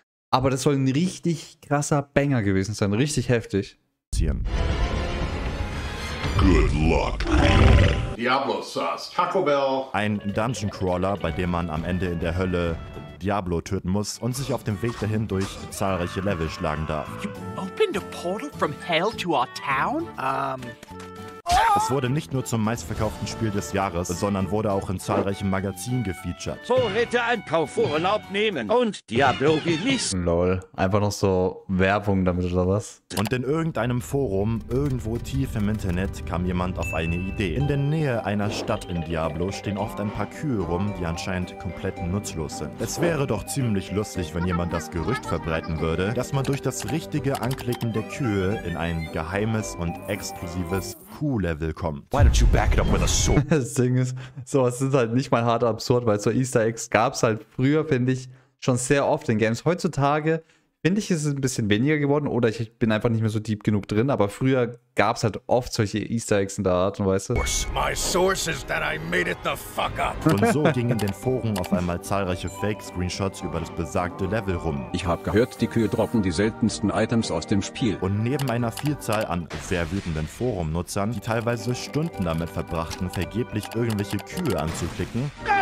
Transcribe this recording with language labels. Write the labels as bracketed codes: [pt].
[de] Aber das soll ein richtig krasser Banger gewesen sein, richtig heftig. [en] Good luck. Diablo Sauce, Taco Bell. [de] Ein Dungeon Crawler, bei dem man am Ende in der Hölle Diablo töten muss und sich auf dem Weg dahin durch zahlreiche Level schlagen darf. [en] You opened a portal from hell to our town? [de] Es wurde nicht nur zum meistverkauften Spiel des Jahres, sondern wurde auch in zahlreichen Magazinen gefeatured. Vorräte einkaufen, Urlaub nehmen und Diablo genießen. Lol, einfach noch so Werbung damit oder was? Und in irgendeinem Forum, irgendwo tief im Internet, kam jemand auf eine Idee. In der Nähe einer Stadt in Diablo stehen oft ein paar Kühe rum, die anscheinend komplett nutzlos sind. Es wäre doch ziemlich lustig, wenn jemand das Gerücht verbreiten würde, dass man durch das richtige Anklicken der Kühe in ein geheimes und exklusives Kuh-Level kommt. [en] Why don't you back it up with a sword? [de] Das Ding ist, sowas ist halt nicht mal hart absurd, weil so Easter Eggs gab es halt früher, finde ich, schon sehr oft in Games. Heutzutage, finde ich, ist es ein bisschen weniger geworden oder ich bin einfach nicht mehr so deep genug drin, aber früher gab es halt oft solche Easter Eggs in der Art und Weise. [en] My source is that I made it the fuck up. [de] Und so gingen in den Foren auf einmal zahlreiche Fake-Screenshots über das besagte Level rum. Ich habe gehört, die Kühe droppen die seltensten Items aus dem Spiel. Und neben einer Vielzahl an sehr wütenden Forum-Nutzern, die teilweise Stunden damit verbrachten, vergeblich irgendwelche Kühe anzuklicken,